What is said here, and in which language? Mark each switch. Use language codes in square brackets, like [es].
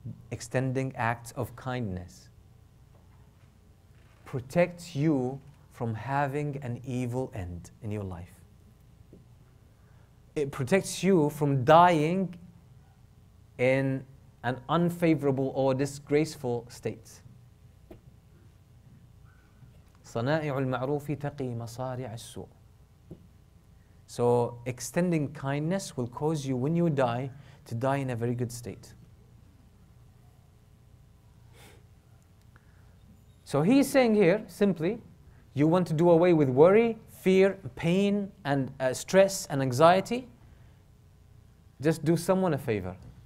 [en] Extending acts of kindness. Protects you from having an evil end in your life. It protects you from dying in an unfavorable or disgraceful state. [ar] صنائع المعروف تقي مصارع السوء. [en] So extending kindness will cause you when you die to die in a very good state. So he's saying here simply, you want to do away with worry, fear, pain, and stress and anxiety, just do someone a favor.